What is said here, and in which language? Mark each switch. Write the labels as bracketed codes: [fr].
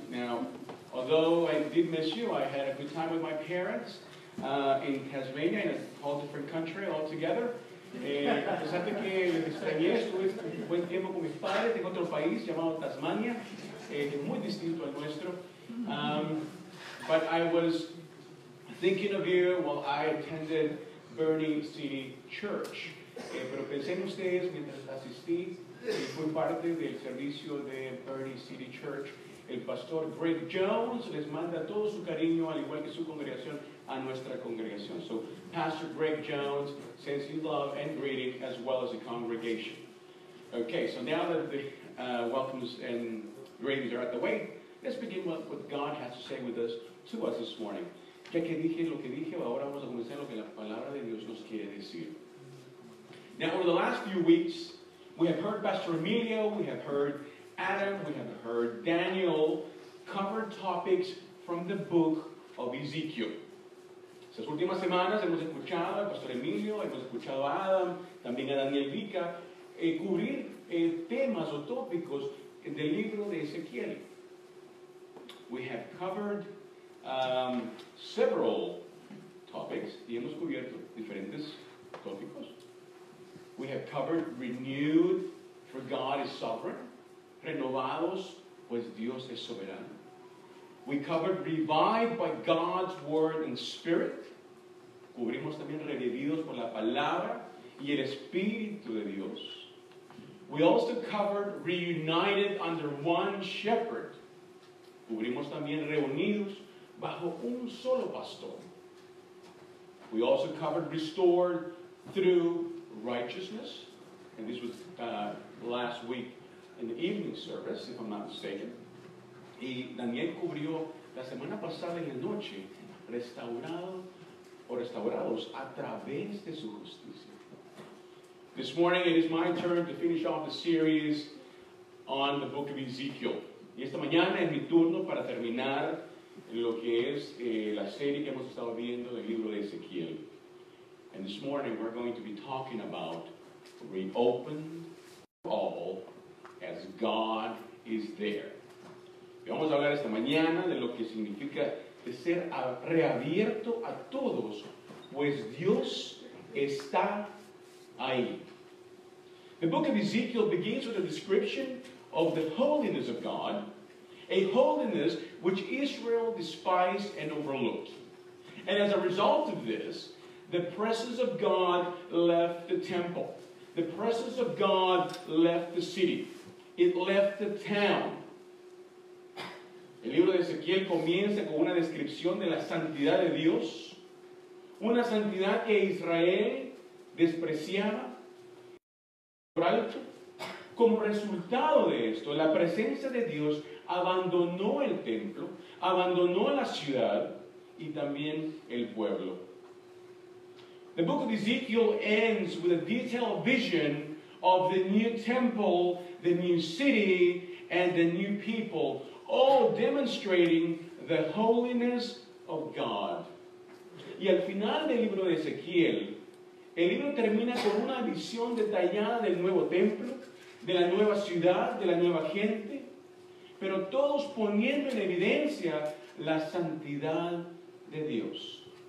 [en] Now, although I did miss you, I had a good time with my parents in Tasmania, in a whole different country altogether. [es] A pesar de que les extrañé, estuve un buen tiempo con mis padres en otro país llamado Tasmania, muy distinto al nuestro. [en] But I was thinking of you while I attended Bernie City Church. [es] Pero pensé en ustedes mientras asistí y fui parte del servicio de Bernie City Church. El pastor Greg Jones les manda todo su cariño, al igual que su congregación, a nuestra congregación. [en] So, Pastor Greg Jones sends you love and greeting as well as the congregation. Okay, so now that the welcomes and greetings are out of the way, let's begin with what God has to say with us to us this morning. [es] Ya que dije lo que dije, ahora vamos a comenzar lo que la palabra de Dios nos quiere decir. [en] Now, over the last few weeks, we have heard Pastor Emilio, we have heard Adam, we have heard Daniel cover topics from the book of Ezekiel. [es] Esas últimas semanas hemos escuchado a Pastor Emilio, hemos escuchado a Adam, también a Daniel Vica, cubrir temas o tópicos del libro de Ezequiel. [en] We have covered several topics, [es] y hemos cubierto diferentes tópicos. [en] We have covered renewed, for God is sovereign. [es] Renovados, pues Dios es soberano. [en] We covered revived by God's word and spirit. [es] Cubrimos también revividos por la palabra y el espíritu de Dios. [en] We also covered reunited under one shepherd. [es] Cubrimos también reunidos bajo un solo pastor. [en] We also covered restored through righteousness. And this was last week in the evening service, if I'm not mistaken. [es] Y Daniel cubrió la semana pasada en la noche restaurados a través de su justicia. [en] This morning it is my turn to finish off the series on the book of Ezekiel. [es] Y esta mañana es mi turno para terminar lo que es la serie que hemos estado viendo del libro de Ezequiel. [en] And this morning we're going to be talking about reopened all as God is there. [es] Y vamos a hablar esta mañana de lo que significa de ser reabierto a todos, pues Dios está ahí. [en] The book of Ezekiel begins with a description of the holiness of God, a holiness which Israel despised and overlooked. And as a result of this, the presence of God left the temple. The presence of God left the city. It left the town. [es] El libro de Ezequiel comienza con una descripción de la santidad de Dios, una santidad que Israel despreciaba por alto. Como resultado de esto, la presencia de Dios abandonó el templo, abandonó la ciudad y también el pueblo. [en] The book of Ezekiel ends with a detailed vision of the new temple, the new city, and the new people, all demonstrating the holiness of God. [es] Y al final del libro de Ezequiel, el libro termina con una visión detallada del nuevo templo, de la nueva ciudad, de la nueva gente, pero todos poniendo en evidencia la santidad de Dios.